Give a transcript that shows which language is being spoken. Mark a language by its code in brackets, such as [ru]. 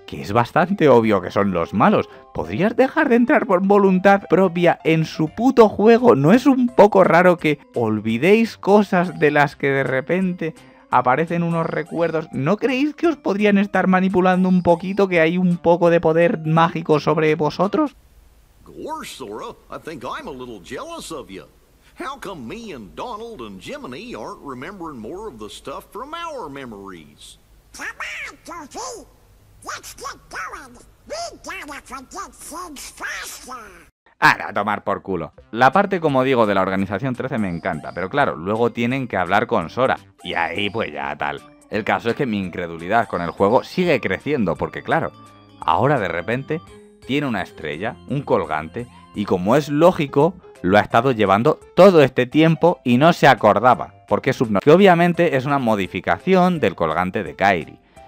[es] Que es bastante obvio que son los malos. ¿Podrías dejar de entrar por voluntad propia en su puto juego? ¿No es un poco raro que olvidéis cosas de las que de repente aparecen unos recuerdos? ¿No creéis que os podrían estar manipulando un poquito, que hay un poco de poder mágico sobre vosotros? [en] Gosh, Sora, I think I'm a little jealous of you. How come me and Donald and Jiminy aren't remembering more of the stuff from our memories? Come on, Goofy. Let's get going. We gotta forget things faster. [es] ¡Ahora, a tomar por culo! La parte, como digo, de la Organización 13 me encanta, pero claro, luego tienen que hablar con Sora, y ahí pues ya tal. El caso es que mi incredulidad con el juego sigue creciendo, porque claro, ahora de repente tiene una estrella, un colgante, y como es lógico, lo ha estado llevando todo este tiempo y no se acordaba, porque es que obviamente es una modificación del colgante de Kairi.